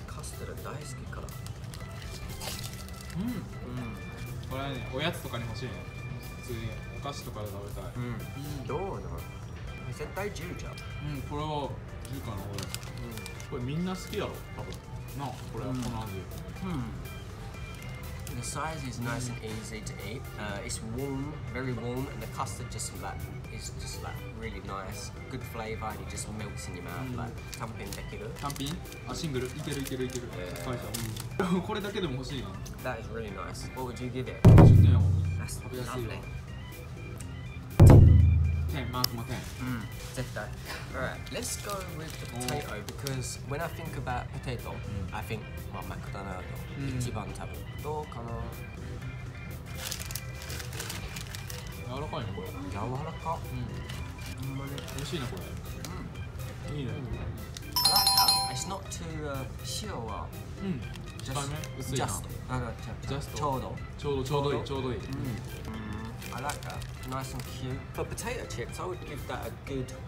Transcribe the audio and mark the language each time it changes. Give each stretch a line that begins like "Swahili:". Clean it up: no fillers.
Japanese: カスタード大好きから。うん。うん。これね、おやつとかに欲しいね。普通に。お菓子とかで食べたい。うん、どうだろう、絶対10じゃん。うん、これは10かな、これ、これみんな好きだろ、多分な、これは、うん、この味。
English: うん、 The size is nice and easy to eat、it's warm, very warm, and the custard just like is just like really nice, good flavor, it just melts in your mouth、うん、like
Japanese: 単品できる、単品、あ、シングル、いけるいけるいける、はい、うん、これだけでも欲しいな。
English: That is really nice. What would you give it?
Japanese: 10点を、
English: That's、
Japanese: 食べやすいわ。マークも10。うん、絶対。
English: Alright, let's go with the potato because when I think about potato,、うん、I think
Japanese: まあマクドナルド、うん、一番食べる。どうかな。柔らかいねこれ。柔らか。うん。うん、まね、美味しいねこれ。うん。いいね。
English: I like that. It's not too
Japanese: 塩は。うん。控えめ。薄いな。
English: Just.
Japanese: なんか
English: Just.
Japanese: ちょうど。ちょうどちょうどいい。ちょうどいい。
English: うん。I like that. Nice and cute. For potato chips, I would give that a good